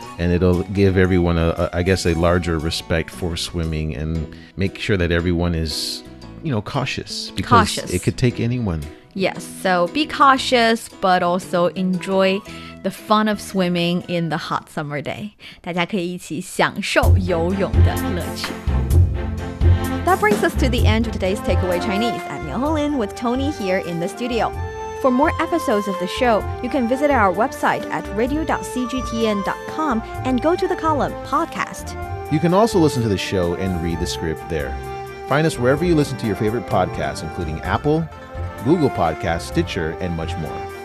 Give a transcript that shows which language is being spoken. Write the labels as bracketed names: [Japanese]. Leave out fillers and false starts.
[English] And it'll give everyone, a larger respect for swimming and make sure that everyone is, you know, cautious. Because cautious. It could take anyone. Yes. So be cautious, but also enjoy the fun of swimming in the hot summer day. [Chinese] 大家可以一起享受游泳的乐趣。 [English] That brings us to the end of today's Takeaway Chinese. I'm Yeholin with Tony here in the studio. For more episodes of the show, you can visit our website at radio.cgtn.com and go to the column Podcast. You can also listen to the show and read the script there. Find us wherever you listen to your favorite podcasts, including Apple, Google Podcasts, Stitcher, and much more.